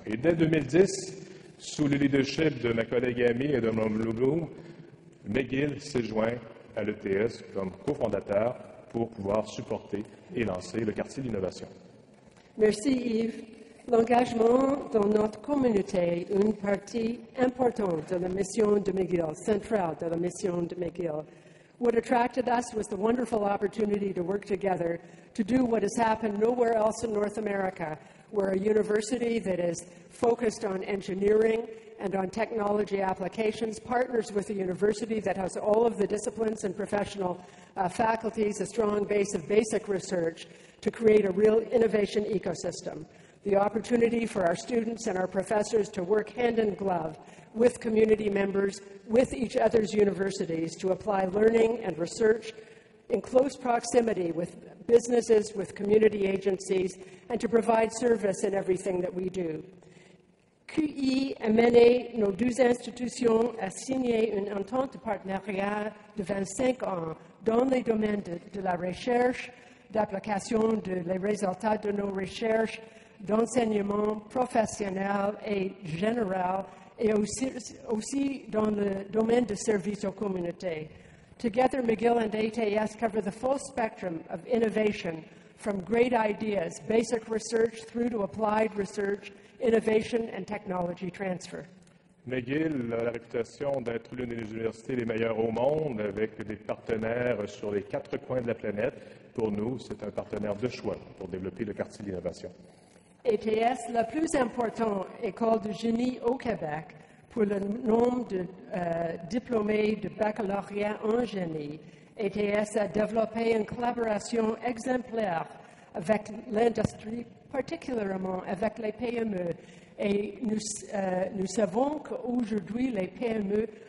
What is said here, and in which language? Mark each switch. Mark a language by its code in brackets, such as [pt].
[fr] Et dès 2010, sous le leadership de ma collègue amie et de Mme Loulou, McGill s'est joint à l'ETS comme cofondateur pour pouvoir supporter et lancer le quartier d'innovation. Merci Yves. L'engagement dans notre communauté est une partie importante de la mission de McGill, centrale de la mission de McGill. [en] What attracted us was the wonderful opportunity to work together to do what has happened nowhere else in North America. We're a university that is focused on engineering and on technology applications, partners with a university that has all of the disciplines and professional faculties, a strong base of basic research to create a real innovation ecosystem. The opportunity for our students and our professors to work hand in glove with community members, with each other's universities, to apply learning and research in close proximity with businesses, with community agencies, and to provide service in everything that we do. [fr] QI a mené nos deux institutions à signer une entente de partenariat de 25 ans dans les domaines de la recherche, d'application de les résultats de nos recherches, d'enseignement professionnel et général, et aussi dans le domaine de services aux communautés. [en] Together, McGill and ATS cover the full spectrum of innovation, from great ideas, basic research, through to applied research, innovation and technology transfer. [fr] McGill a la réputation d'être l'une des universités les meilleures au monde, avec des partenaires sur les quatre coins de la planète. Pour nous, c'est un partenaire de choix pour développer le quartier de l'innovation. ATS, la plus importante école de génie au Québec, pour le nombre de diplômés de baccalauréat en génie, ATS a développé une collaboration exemplaire avec l'industrie, particulièrement avec les PME. Et nous savons qu'aujourd'hui, les PME